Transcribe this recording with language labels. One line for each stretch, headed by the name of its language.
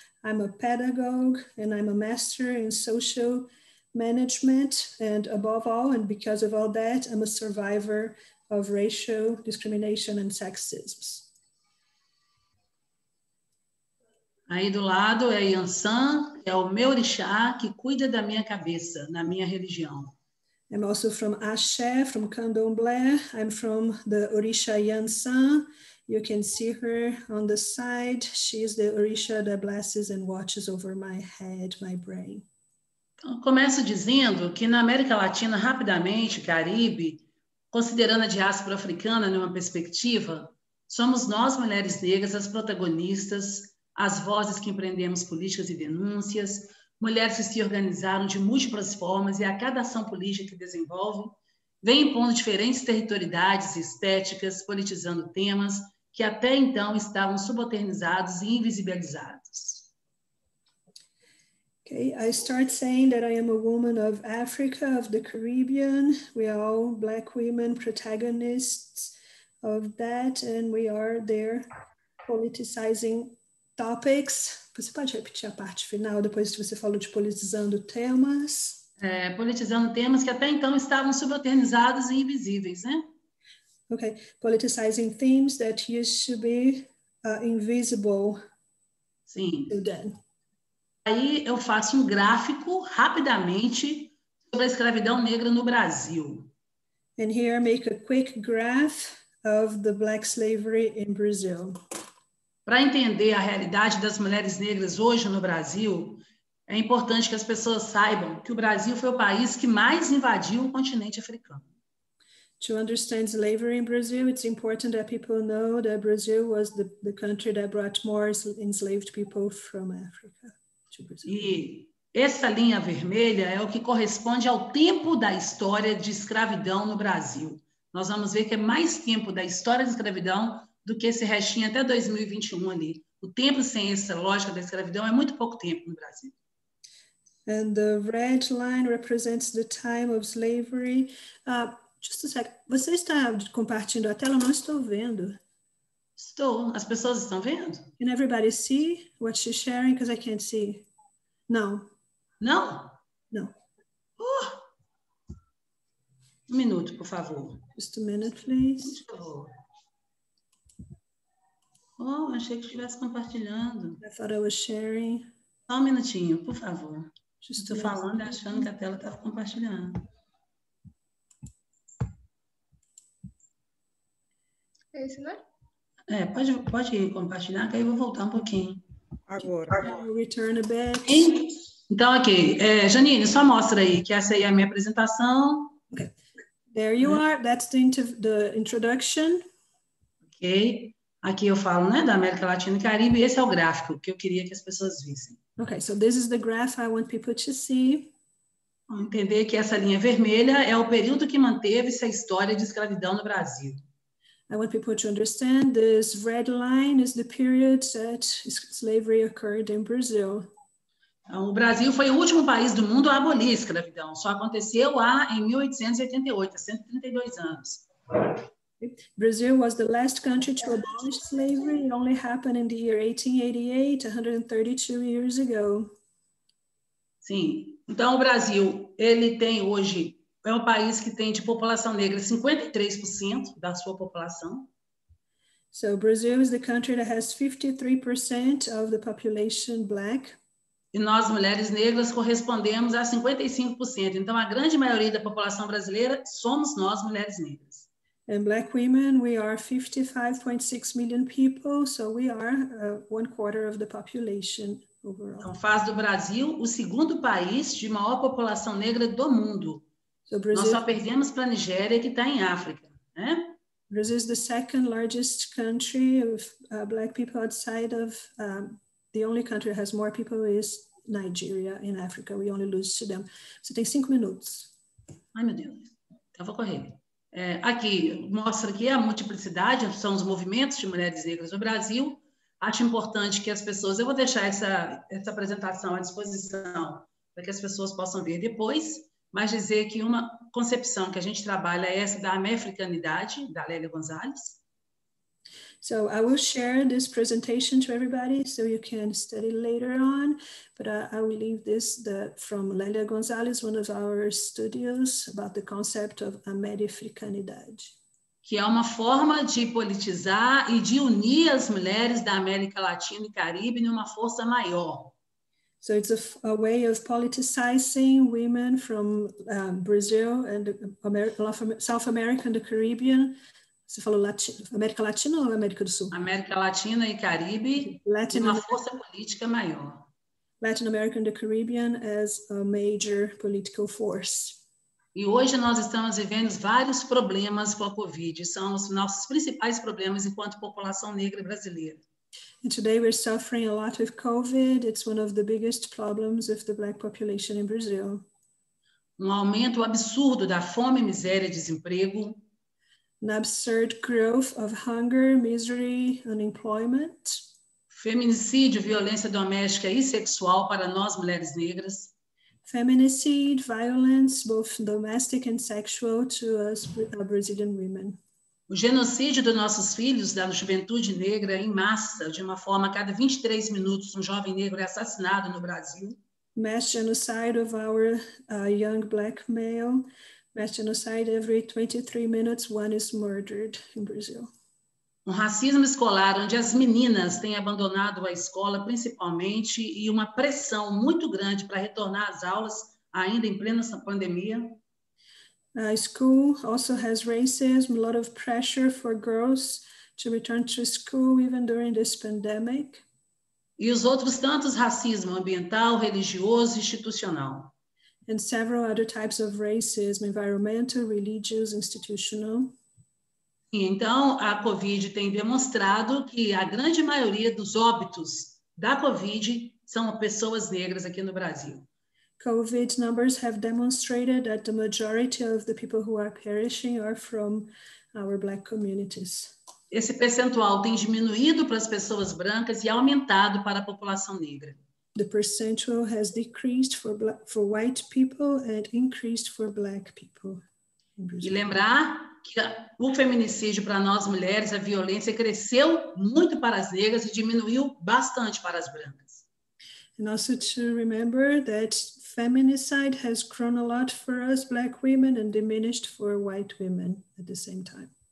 English: I'm a pedagogue and I'm a master in social management. And above all, and because of all that, I'm a survivor of racial discrimination and sexism.
Portuguese: Aí do lado é Yansan, é o meu orixá que cuida da minha cabeça, na minha religião.
English: I'm also from Axé, from Candomblé. I'm from the orixá Yansan. You can see her on the side. She's the orixá that blesses and watches over my head, my brain.
Portuguese: Eu começo dizendo que na América Latina, rapidamente, Caribe, considerando a diáspora africana numa perspectiva, somos nós, mulheres negras, as protagonistas, as vozes que empreendemos políticas e denúncias, mulheres que se organizaram de múltiplas formas e a cada ação política que desenvolvem, vem impondo diferentes territorialidades e estéticas, politizando temas que até então estavam subalternizados e invisibilizados.
English: Okay, I start saying that I am a woman of Africa, of the Caribbean. We are all Black women protagonists of that and we are there politicizing topics.
Portuguese: Você pode repetir a parte final depois que você falou de politizando temas? Politizando temas que até então estavam subalternizados e invisíveis, né?
English: Okay, politicizing themes that used to be invisible.
Portuguese: Sim.
English: Then.
Portuguese: Aí eu faço um gráfico rapidamente sobre a escravidão negra no Brasil.
English: And here I make a quick graph of the black slavery in Brazil.
Portuguese: Para entender a realidade das mulheres negras hoje no Brasil, é importante que as pessoas saibam que o Brasil foi o país que mais invadiu o continente africano.
English: To understand slavery in Brazil, it's important that people know that Brazil was the country that brought more enslaved people from Africa to Brazil.
Portuguese: E essa linha vermelha é o que corresponde ao tempo da história de escravidão no Brasil. Nós vamos ver que é mais tempo da história de escravidão do que esse restinho até 2021 ali. O tempo sem essa lógica da escravidão é muito pouco tempo no Brasil.
English: And the red line represents the time of slavery. Just a sec.
Portuguese: Você está compartilhando a tela? Eu não estou vendo. Estou. As pessoas estão vendo? Can everybody see what she's sharing? Because I can't see. No. Não? Não. Um minuto, por favor.
English: Just a minute, please.
Portuguese: Por favor. Oh, achei que estivesse compartilhando.
English: I thought I was sharing.
Portuguese: Só um minutinho, por favor. Estou falando e achando que a tela estava compartilhando. É isso, né? Pode ir compartilhar, que aí eu vou voltar um pouquinho. Agora.
English: I'll return a bit.
Portuguese: Então, ok. Janine, só mostra aí, que essa aí é a minha apresentação.
English: Okay. There you are. That's the introduction.
Portuguese: Ok. Aqui eu falo, né, da América Latina e Caribe, e esse é o gráfico que eu queria que as pessoas vissem.
English: Okay, so this is the graph I want people to see.
Portuguese: Entender que essa linha vermelha é o período que manteve-se a história de escravidão no Brasil.
English: I want people to understand this red line is the period that slavery occurred in Brazil.
Portuguese: Então, o Brasil foi o último país do mundo a abolir a escravidão. Só aconteceu lá em 1888, 132 anos.
English: Brazil was the last country to abolish slavery. It only happened in the year 1888, 132 years ago.
Portuguese: Sim. Então, o Brasil, ele tem hoje É o país que tem de população negra 53% da sua população.
English: So Brazil is the country that has 53% of the population black.
Portuguese: E nós, mulheres negras, correspondemos a 55%. Então, a grande maioria da população brasileira somos nós, mulheres negras.
English: And black women, we are 55.6 million people, so we are one quarter of the population overall.
Portuguese: Então, faz do Brasil o segundo país de maior população negra do mundo.
English: So Brazil,
Portuguese: nós só perdemos para a Nigéria, que está em África, né?
English: Brazil is the second largest country of black people outside of... The only country that has more people is Nigeria in Africa. We only lose to them.
Portuguese: So tem 5 minutos. Ai, meu Deus. Então, vou correr. É, aqui, mostra aqui a multiplicidade, são os movimentos de mulheres negras no Brasil. Acho importante que as pessoas... Eu vou deixar essa apresentação à disposição para que as pessoas possam ver depois, mas dizer que uma concepção que a gente trabalha é essa da americanidade, da Lélia Gonzalez.
English: So I will share this presentation to everybody so you can study later on, but I will leave this from Lélia Gonzalez, one of our studios, about the concept of americanidade.
Portuguese: Que é uma forma de politizar e de unir as mulheres da América Latina e Caribe em uma força maior.
English: So it's a way of politicizing women from Brazil and South America and the Caribbean.
Portuguese: Você falou América Latina ou América do Sul? América Latina e Caribe, Latin uma força política maior.
English: Latin America and the Caribbean as a major political force.
Portuguese: E hoje nós estamos vivendo vários problemas com a Covid. São os nossos principais problemas enquanto população negra brasileira.
English: And today we're suffering a lot with COVID. It's one of the biggest problems of the black population in Brazil.
Portuguese: Um aumento absurdo da fome, miséria e desemprego.
English: An absurd growth of hunger, misery, unemployment.
Portuguese: Feminicídio, violência doméstica e sexual para nós, mulheres negras.
English: Feminicide, violence, both domestic and sexual, to us Brazilian women.
Portuguese: O genocídio dos nossos filhos, da juventude negra, em massa, de uma forma, a cada 23 minutos, um jovem negro é assassinado no Brasil.
English: Mass genocide of our young black male. Mass genocide, every 23 minutes, one is murdered in Brazil.
Portuguese: Um racismo escolar, onde as meninas têm abandonado a escola, principalmente, e uma pressão muito grande para retornar às aulas, ainda em plena pandemia.
English: School also has racism, a lot of pressure for girls to return to school even during this pandemic.
Portuguese: E os outros tantos racismo ambiental, religioso e institucional.
English: And several other types of racism, environmental, religious, institutional.
Portuguese: E então, a COVID tem demonstrado que a grande maioria dos óbitos da COVID são pessoas negras aqui no Brasil.
English: COVID numbers have demonstrated that the majority of the people who are perishing are from our black communities.
Portuguese: Esse percentual tem diminuído para as pessoas brancas e aumentado para a população negra.
English: The percentual has decreased for white people and increased for black people.
Portuguese: E lembrar que o feminicídio para nós mulheres, a violência cresceu muito para as negras e diminuiu bastante para as brancas.
English: And also to remember that feminicide has grown a lot for us black women and diminished for white women at the same time.